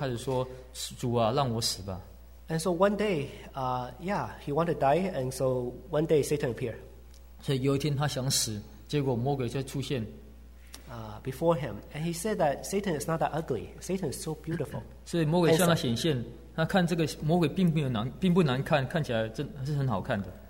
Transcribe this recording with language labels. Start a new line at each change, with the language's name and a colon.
Chinese: 所以当人在软弱在那种情况下，他们就开始说：“主啊，让我死吧。”
English: And so one day, he wanted to die. And so one day, Satan appeared.
Chinese: 所以有一天他想死，结果魔鬼就出现。
English: Before him, and he said that Satan is not that ugly. Satan is so beautiful.
Chinese: 所以魔鬼向他显现，他看这个魔鬼并不难看，看起来真是很好看的。